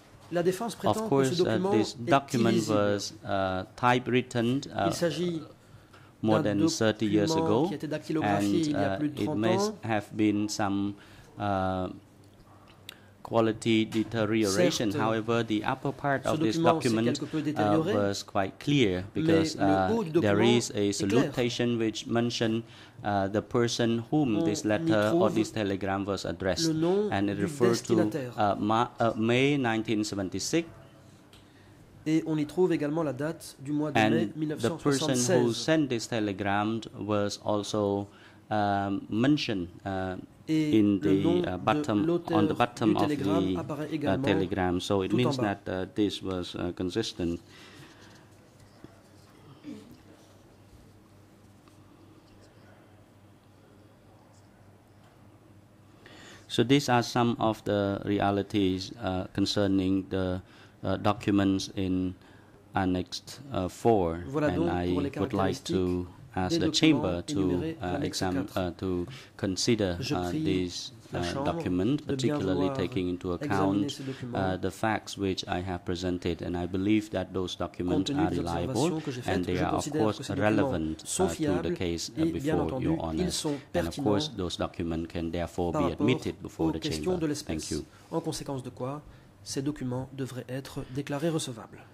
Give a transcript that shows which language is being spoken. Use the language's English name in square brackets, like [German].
[French] La défense prétend que ce document est illisible. [English] Of course, this document was typewritten. More than 30 years ago, and it may have been some quality deterioration. [French] Certes, [English] however, the upper part of this document was quite clear because there is a salutation which mentioned the person whom this letter or this telegram was addressed, and it refers to May 1976. [French] Et on y trouve également la date du mois de mai 1976. [English] And the person who sent this telegram was also mentioned in the bottom on the bottom of the telegram. So it means that this was consistent. So these are some of the realities concerning the documents in Annex 4, [French] voilà, [English] and I would like to ask the chamber to to consider these documents, particularly taking into account the facts which I have presented, and I believe that those documents are reliable, and they are of course relevant to the case before Your Honor, and of course those documents can therefore be admitted before the chamber. Thank you. [French] En conséquence de quoi, ces documents devraient être déclarés recevables.